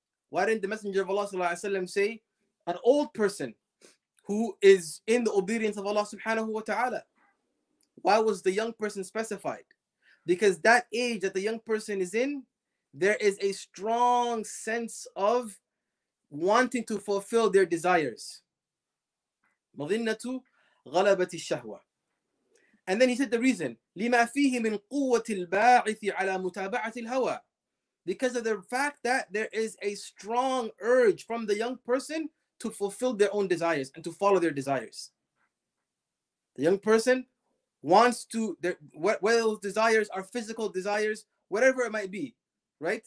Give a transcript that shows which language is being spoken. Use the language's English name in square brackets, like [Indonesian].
[English] Why didn't the Messenger of Allah sallallahu alaihi wasallam say, an old person who is in the obedience of Allah subhanahu wa ta'ala? Why was the young person specified? Because that age that the young person is in, there is a strong sense of wanting to fulfill their desires. [Arabic] مَظِنَّةُ غَلَبَةِ الشَّهْوَةِ. [English] And then he said the reason, [Arabic] لِمَا فِيهِ مِنْ قُوَّةِ الْبَاعِثِ عَلَى مُتَابَعَةِ الْهَوَى. [English] Because of the fact that there is a strong urge from the young person to fulfill their own desires and to follow their desires. The young person wants to, whether those desires are physical desires, whatever it might be, right?